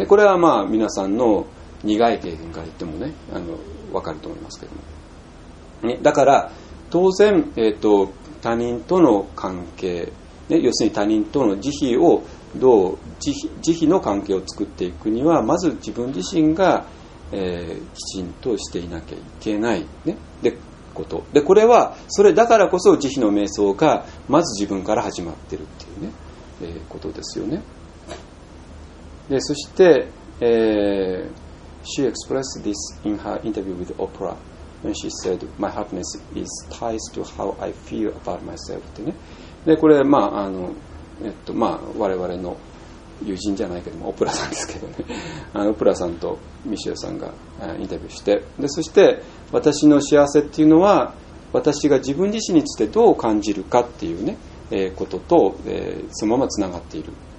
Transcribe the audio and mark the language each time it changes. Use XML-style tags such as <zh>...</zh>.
<ja>でこれはまあ皆さんの苦い経験から言ってもね、あの分かると思いますけども、ね、だから当然他人との関係ね、要するに他人との慈悲をどう慈悲の関係を作っていくにはまず自分自身が、きちんとしていなきゃいけない、ね、でことでこれはそれだからこそ慈悲の瞑想がまず自分から始まってるっていうね、ことですよね。でそして、</ja> <en>She expressed this in her interview with Oprah when she said My happiness is tied to how I feel about myself</en> <ja>ってね。でこれまああのまあ我々の友人じゃないけどもオプラさんですけどねあのオプラさんとミシェルさんがインタビューして、でそして私の幸せっていうのは私が自分自身についてどう感じるかっていうね、ことと、そのままつながっている。</ja>